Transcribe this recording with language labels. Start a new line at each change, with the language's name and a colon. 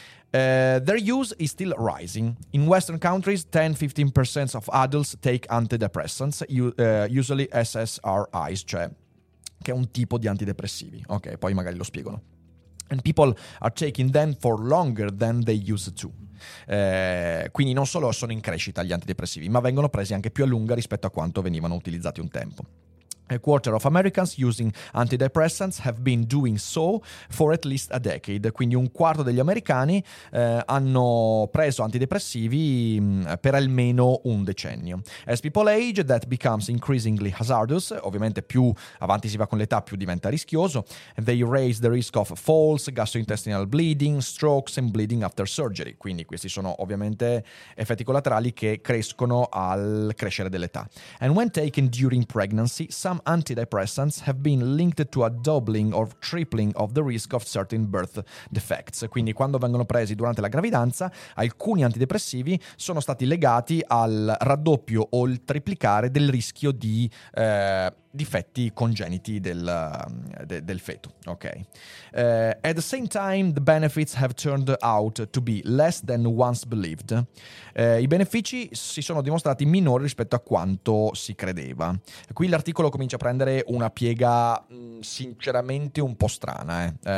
English: Their use is still rising. In Western countries, 10-15% of adults take antidepressants, usually SSRIs,
Italian: cioè che è un tipo di antidepressivi. Ok, poi magari lo spiegano.
English: And people are taking them for longer than they used to.
Italian: Quindi non solo sono in crescita gli antidepressivi, ma vengono presi anche più a lunga rispetto a quanto venivano utilizzati un tempo.
English: A quarter of Americans using antidepressants have been doing so for at least a decade.
Italian: Quindi un quarto degli americani hanno preso antidepressivi per almeno un decennio.
English: As people age, that becomes increasingly hazardous.
Italian: Ovviamente più avanti si va con l'età, più diventa rischioso.
English: They raise the risk of falls, gastrointestinal bleeding, strokes and bleeding after surgery.
Italian: Quindi questi sono ovviamente effetti collaterali che crescono al crescere dell'età.
English: And when taken during pregnancy, some antidepressants have been linked to a doubling or tripling of the risk of certain birth defects.
Italian: Quindi quando vengono presi durante la gravidanza, alcuni antidepressivi sono stati legati al raddoppio o il triplicare del rischio di difetti congeniti del feto. Ok.
English: At the same time, the benefits have turned out to be less than once believed.
Italian: I benefici si sono dimostrati minori rispetto a quanto si credeva. Qui l'articolo comincia a prendere una piega sinceramente un po' strana.